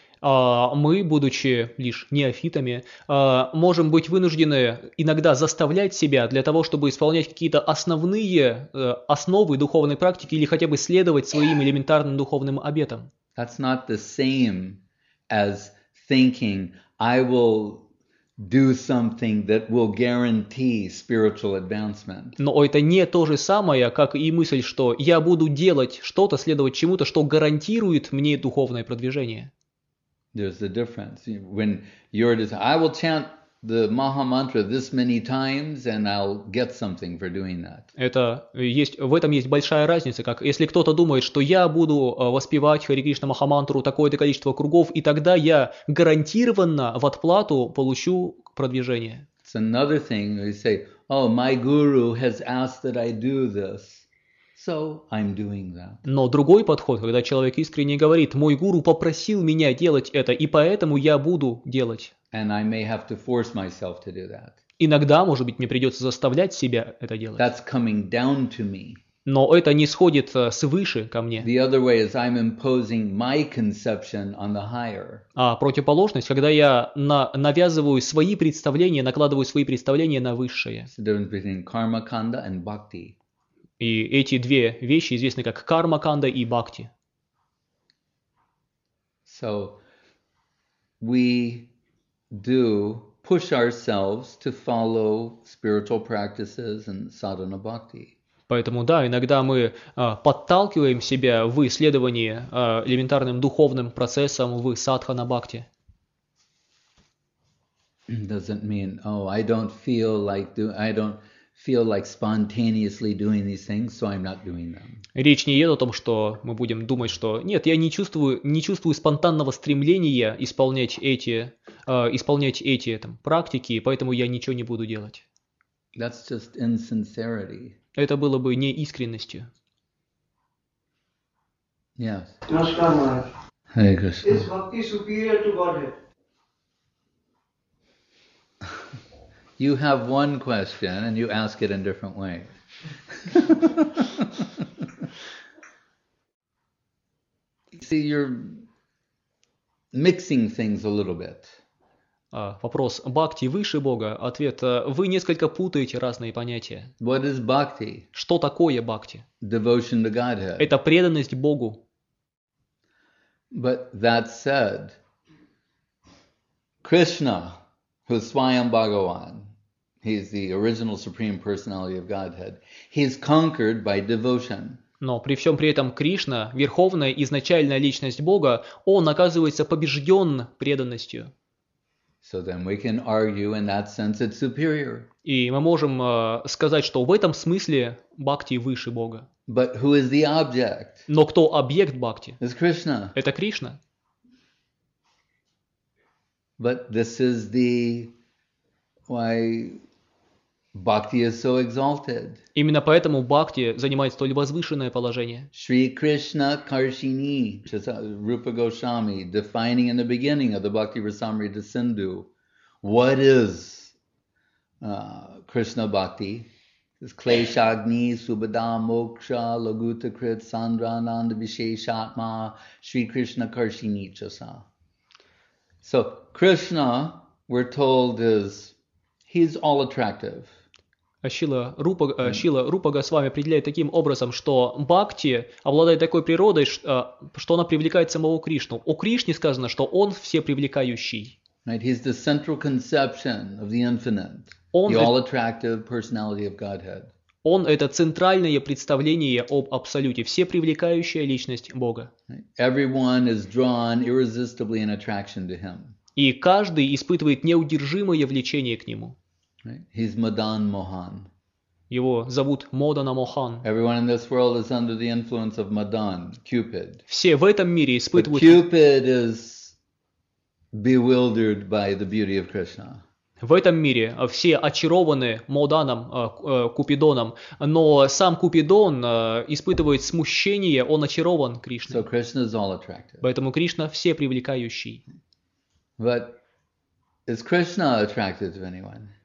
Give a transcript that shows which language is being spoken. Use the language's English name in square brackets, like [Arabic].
[Russian] Мы, будучи лишь неофитами, можем быть вынуждены иногда заставлять себя для того, чтобы исполнять какие-то основные основы духовной практики или хотя бы следовать своим элементарным духовным обетам. [English] That's not the same as thinking I will do something that will guarantee spiritual advancement. [Russian] Но это не то же самое, как и мысль, что я буду делать что-то, следовать чему-то, что гарантирует мне духовное продвижение. [English] There's a difference. When you're just, I will chant the Maha Mantra this many times and I'll get something for doing that. [Russian] Это есть, в этом есть большая разница, как если кто-то думает, что я буду воспевать Хари Кришна Маха Мантру такое-то количество кругов, и тогда я гарантированно в отплату получу продвижение. [English] It's another thing where you say, oh, my guru has asked that I do this. So I'm doing that. [Russian] Но другой подход, когда человек искренне говорит, мой гуру попросил меня делать это, и поэтому я буду делать. [English] And I may have to force myself to do that. [Russian] Иногда, может быть, мне придется заставлять себя это делать. [English] That's coming down to me. [Russian] Но это нисходит свыше ко мне. [English] The other way is I'm imposing my conception on the higher. [Russian] А противоположность, когда я навязываю свои представления, накладываю свои представления на высшее. [English] It's the difference between karma kanda and bhakti. [Russian] И эти две вещи известны как карма-канда и бхакти. [English] So we do push ourselves to follow spiritual practices and sadhana bhakti. [Russian] Поэтому да, иногда мы подталкиваем себя в исследовании элементарным духовным процессом в садхана бхакти. [English] Doesn't mean, oh, I don't feel like I don't feel like spontaneously doing these things, so I'm not doing them. [Russian] Речь не идет о том, что мы будем думать, что нет, я не чувствую спонтанного стремления исполнять эти там практики, поэтому я ничего не буду делать. [English] That's just insincerity. [Russian] Это было бы неискренностью. [English] Yes. Namaskar, Hare Krishna. Is bhakti superior to Godhead? You have one question and you ask it in different ways. See, you're mixing things a little bit. [Russian] Вопрос бхакти выше Бога. Ответ: вы несколько путаете разные понятия. [English] What is bhakti? [Russian] Что такое бхакти? [English] Devotion to Godhead. [Russian] Это преданность Богу. [English] But that said, Krishna, who is Swayam Bhagavan, he's the original supreme personality of Godhead. He's conquered by devotion. [Russian] Но при всем при этом Кришна, верховная изначальная личность Бога, он оказывается побежден преданностью. [English] So then we can argue in that sense it's superior. [Russian] И мы можем сказать, что в этом смысле бхакти выше Бога. [English] But who is the object? [Russian] Но кто объект бхакти? [English] It's Krishna. [Russian] Это Кришна. [English] But this is the why bhakti is so exalted. [Russian] Именно поэтому бхакти занимает столь возвышенное положение. [English] Shri Krishna Karshini, Rupa Goswami, defining in the beginning of the Bhakti Rasamrita Sindhu, what is Krishna Bhakti? [Sanskrit] It's Kleshagni, Subhada, Moksha, Lagutakrit, Sandrananda, Visheshatma, Shri Krishna Karshini, Chasa. [English] So Krishna, we're told, he's all attractive. [Russian] Шрила Рупа Госвами определяет таким образом, что бхакти обладает такой природой, что она привлекает самого Кришну. О Кришне сказано, что он всепривлекающий. [English] Right, he's the central conception of the infinite, [Russian] он [English] the all-attractive personality of Godhead. [Russian] Он это центральное представление об Абсолюте, всепривлекающая личность Бога. [English] Everyone is drawn irresistibly in attraction to him. [Russian] И каждый испытывает неудержимое влечение к нему. [English] He's Madan Mohan. [Russian] Его зовут Мадана Мохан. [English] Everyone in this world is under the influence of Madan, Cupid. [Russian] Все в этом мире испытывают. [English] But Cupid is bewildered by the beauty of Krishna. [Russian] В этом мире все очарованы Маданом, Купидоном, но сам Купидон испытывает смущение, он очарован Кришной. [English] So Krishna is all attractive. [Russian] Поэтому Кришна все привлекающий. [English] But is Krishna attracted to anyone?